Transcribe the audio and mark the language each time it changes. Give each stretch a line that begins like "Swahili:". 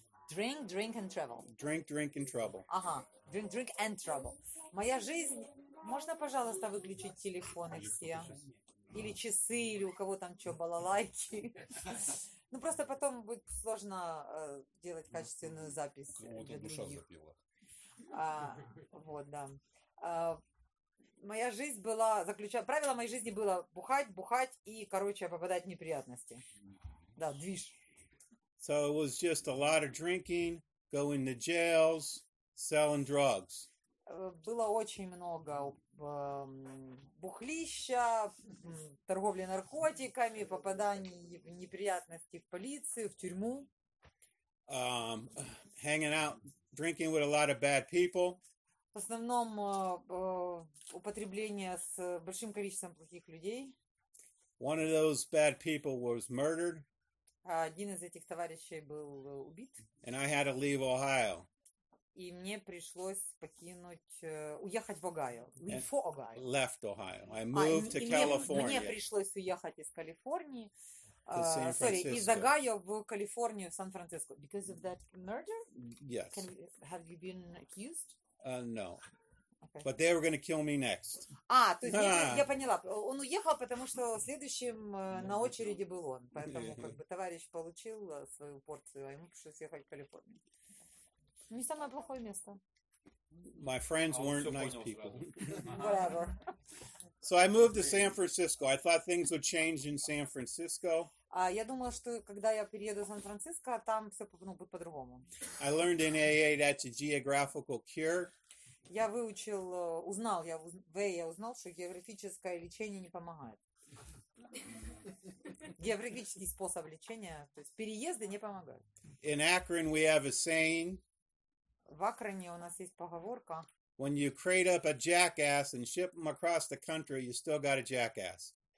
English: Drink, drink and trouble. Drink, drink and trouble.
Russian: Ага.
English: Drink, drink and trouble.
Russian: Моя жизнь. Можно, пожалуйста, выключить телефоны все? Или часы, или у кого там что, балалайки. Ну, просто потом будет сложно делать качественную запись. Ну, вот душа запила. Вот, да. Моя жизнь была... Правило моей жизни было бухать, бухать и, короче, попадать в неприятности. Да, движ.
English: So it was just a lot of drinking, going to jails, selling drugs.
Russian: Было очень много бухлища, торговли наркотиками, попаданий в неприятности в полицию, в тюрьму.
English: Hanging out, drinking with a lot of bad people.
Russian: В основном употребление с большим количеством плохих людей.
English: One of those bad people was murdered.
Russian: Один из этих товарищей был убит.
English: And I had to leave Ohio.
Russian: И мне пришлось уехать в Огайо.
English: Left Ohio. I moved to California.
Russian: Мне пришлось уехать из Калифорнии. Из Огайо в Калифорнию, Сан-Франциско.
English: Because of that murder? Yes. Have you been accused? No. Okay. But they were going to kill me next.
Russian: То есть я поняла. Он уехал, потому что следующим на очереди был он. Поэтому как бы товарищ получил свою порцию, а ему пришлось ехать в Калифорнию. Не самое плохое место.
English: My friends weren't nice people. Whatever. So I moved to San Francisco. I thought things would change in San Francisco.
Russian: Я думала, что когда я перееду в Сан-Франциско, там все будет по-другому.
English: I learned in AA that's a geographical cure.
Russian: Я узнал, что географическое лечение не помогает. Географический способ лечения, то есть переезды не помогают.
English: In Akron we have a saying.
Russian: В Акроне у нас есть поговорка.
English: When you crate up a jackass and ship him across the country, you still got a jackass.